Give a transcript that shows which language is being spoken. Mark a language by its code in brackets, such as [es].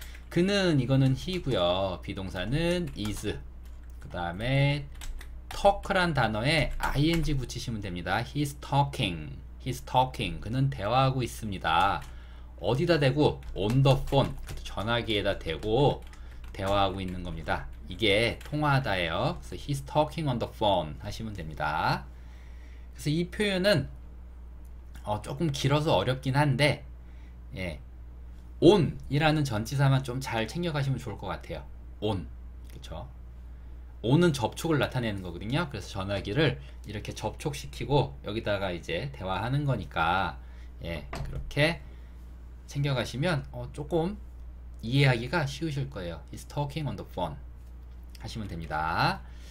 [ko] 그는 이거는 he고요. 비동사는 is. 그 다음에 talk란 단어에 ing 붙이시면 됩니다. [en] he's talking. he's talking. [ko] 그는 대화하고 있습니다. 어디다 대고 on the phone 전화기에다 대고 대화하고 있는 겁니다. 이게 통화하다예요. [en] 그래서 he's talking on the phone 하시면 됩니다. [ko] 그래서 이 표현은 조금 길어서 어렵긴 한데 예, on이라는 전치사만 좀잘 챙겨가시면 좋을 것 같아요. on 그렇죠? on은 접촉을 나타내는 거거든요. 그래서 전화기를 이렇게 접촉시키고 여기다가 이제 대화하는 거니까 예, 그렇게 챙겨가시면 조금 이해하기가 쉬우실 거예요. [en] He's talking on the phone 하시면 됩니다.